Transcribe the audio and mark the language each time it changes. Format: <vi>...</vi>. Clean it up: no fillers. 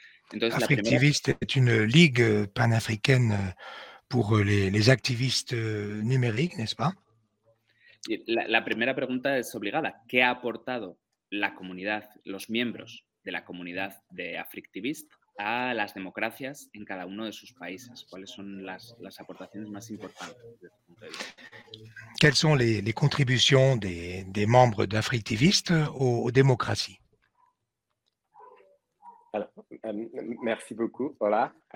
<es>Entonces, Africtivist es una</es> <fr>ligue panafricaine pour les activistes numériques, n'est-ce pas?</fr> <es>La primera pregunta es obligada. ¿Qué ha aportado la comunidad, los miembros de la comunidad de Africtivist a las democracias en cada uno de sus países? ¿Cuáles son las aportaciones más importantes desde este punto de vista? ¿Cuáles son las contribuciones de miembros de Africtivist a la democracia?</es> <fr>Alors, merci beaucoup, voilà.</fr>